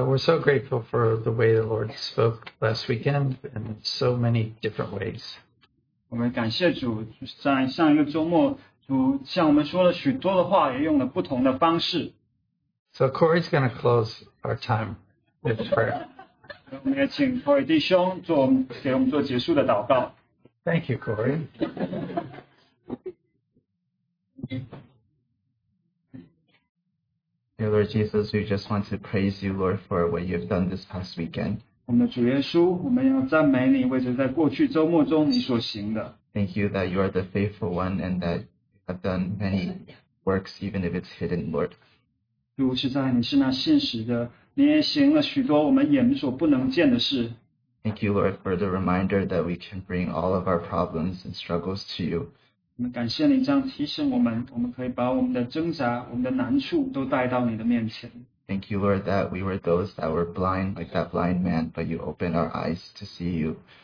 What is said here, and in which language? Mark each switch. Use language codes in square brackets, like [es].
[en] we're so grateful for the way the Lord spoke last weekend in so many different ways. [zh] 我们感谢主，在上一个周末，主向我们说了许多的话，也用了不同的方式。 [en] So Corey's going to close our time with prayer. [zh] 我们也请 Corey 弟兄做给我们做结束的祷告。 [en] Thank you, Corey. Dear Lord Jesus, we just want to praise you, Lord, for what you've done this past weekend. [zh] 我们的主耶稣，我们要赞美你，为着在过去周末中你所行的。 [en] Thank you that you are the faithful one and that you have done many works, even if it's hidden, Lord. [zh] 主实在你是那信实的，你也行了许多我们眼所不能见的事。 [en] Thank you, Lord, for the reminder that we can bring all of our problems and struggles to you. [zh] 我们感谢你这样提醒我们，我们可以把我们的挣扎、我们的难处都带到你的面前。 [en] Thank you, Lord, that we were those that were blind, like that blind man, but you opened our eyes to see you.